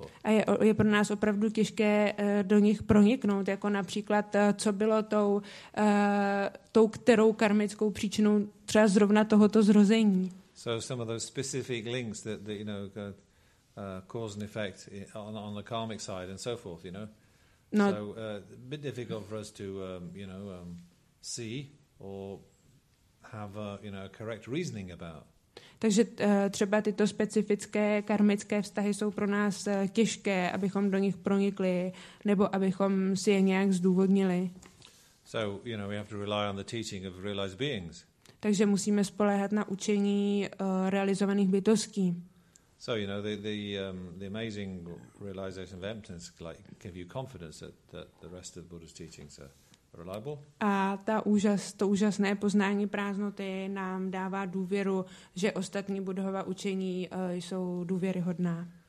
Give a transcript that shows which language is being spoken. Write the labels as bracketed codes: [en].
[en] Or... [cs] A je pro nás opravdu těžké do nich proniknout, jako například, co bylo tou kterou karmickou příčinou třeba zrovna tohoto zrození. [en] So some of those specific links that you know, cause and effect on the karmic side and so forth, you know. No. So a bit difficult for us to, you know, see or... have a, you know, correct reasoning about. [cs] Takže třeba tyto specifické karmické vztahy jsou pro nás těžké, abychom do nich pronikli nebo abychom si je nějak zdůvodnili. [en] So, you know, we have to rely on the teaching of realized beings. [cs] Takže musíme spoléhat na učení realizovaných bytostí. [en] So, you know, the amazing realization of emptiness like give you confidence that the rest of the Buddha's teachings are reliable. [cs] A to úžasné poznání prázdnoty nám dává důvěru, že ostatní Buddhova učení jsou důvěryhodná.